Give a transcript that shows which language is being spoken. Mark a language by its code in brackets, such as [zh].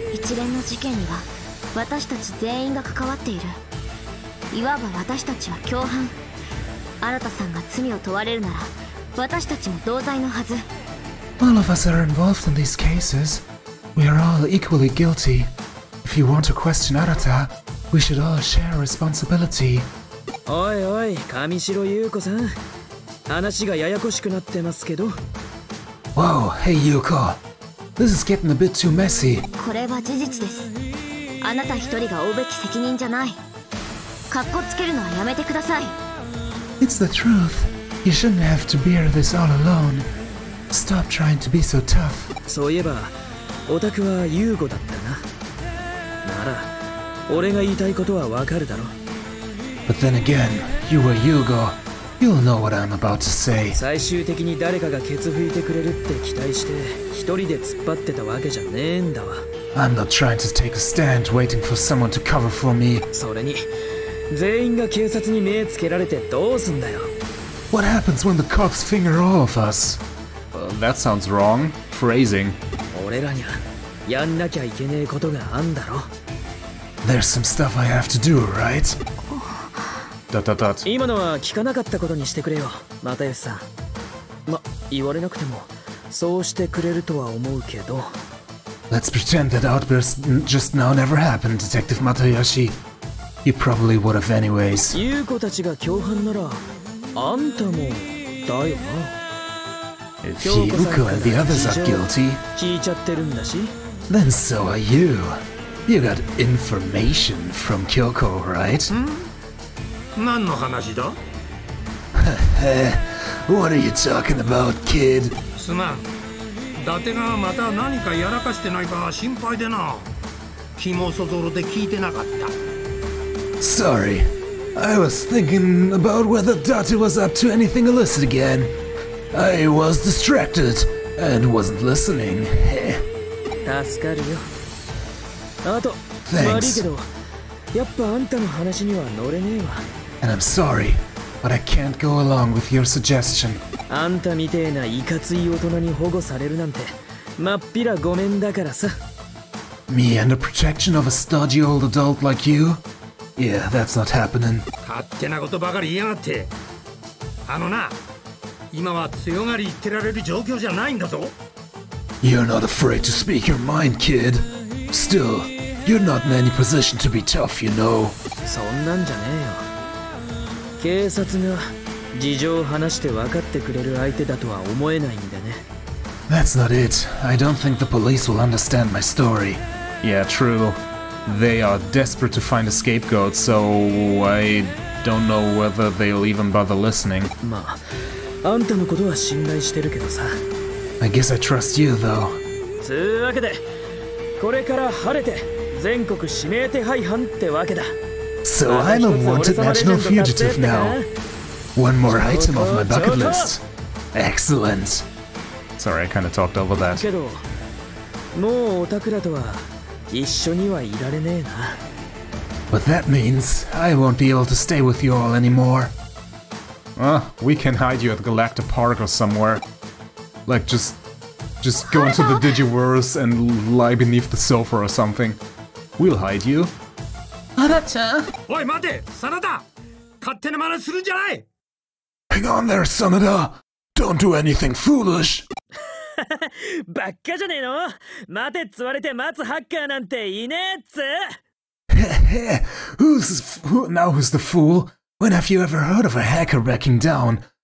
[en] All of us are involved in these cases. We are all equally guilty. If you want to question Arata, we should all share responsibility. [ja] Oi, oi, Kamishiro Yuko-san. 話がややこしくなってますけど。 [en] Whoa, hey Yuko. This is getting a bit too messy. [ja] これは事実です。あなた一人が負うべき責任じゃない。カッコつけるのはやめてください。 [en] It's the truth. You shouldn't have to bear this all alone. Stop trying to be so tough. [ja] そういえば、オタクはユーゴだったな。なら、俺が言いたいことはわかるだろう。 [en] But then again, you were Yugo. You'll know what I'm about to say. [ja] 最終的に誰かがケツ拭いてくれるって期待して、一人で突っ張ってたわけじゃねえんだわ。 [en] I'm not trying to take a stand waiting for someone to cover for me. [ja] それに、全員が警察に目つけられてどうすんだよ。 [en] What happens when the cops finger all of us?、 That sounds wrong. Phrasing. [ja] 俺らにゃ、やんなきゃいけねえことがあんだろ。 [en] There's some stuff I have to do, right? [ja] 今のは聞かなかったことにしてくれよ、又吉さん。ま、言われなくても、そうしてくれるとは思うけど。 [en] Let's pretend that outburst just now never happened, Detective Matayoshi. You probably would have anyways. [ja] ユーコたちが共犯なら、あんたも、だよな。 [en] If [ja] ユーコさんから事情を聞いちゃってるんだし。 [en] Then so are you. You got information from Kyoko, right? [ja] ん?何の話だ [en] What are you talking about, kid? [ja] すまん。伊達がまた何かやらかしてないか心配でな。気もそぞろで聞いてなかった。 [en] Sorry. I was thinking about whether 伊達 was up to anything illicit again. I was distracted and wasn't listening. [ja] 助かるよ。あと、 [en] Thanks. [ja] 悪いけど、やっぱあんたの話には乗れねえわ。 [en] And I'm sorry, but I can't go along with your suggestion. [ja] あんたみてえないかつい大人に保護されるなんて、まっぴらごめんだからさ。 [en] Me under protection of a stodgy old adult like you? Yeah, that's not happening. [ja] 勝手なことばかり言いやがって。あのな、今は強がり言ってられる状況じゃないんだぞ。 [en] You're not afraid to speak your mind, kid. Still, you're not in any position to be tough, you know. [ja] そんなんじゃねえよ。警察が事情を話して分かってくれる相手だとは思えないんだね。 [en] That's not it. I don't think the police will understand my story. Yeah, true. They are desperate to find a scapegoat, so I don't know whether they'll even bother listening. [ja] まあ、あんたのことは信頼してるけどさ。 [en] I guess I trust you, though. [ja] つうわけで、これから晴れて全国指名手配犯ってわけだ。 [en] So I'm a wanted national fugitive now. One more item off my bucket list. Excellent. Sorry, I kind of talked over that. [ja] けど、もうオタクらとは一緒にはいられねえな。 [en] But that means I won't be able to stay with you all anymore. We can hide you at Galacta Park or somewhere. Like just go into the Digiverse and lie beneath the sofa or something. We'll hide you. [ja] アダちゃん、おい待て、サナダ、勝手な真似するんじゃない。 [en] Hang on there, サナダ。Don't do anything foolish。 [ja] バッカじゃねえの。待てつわれて待つハッカーなんていねえっつ。 [en] Now who's the fool? When have you ever heard of a hacker backing down?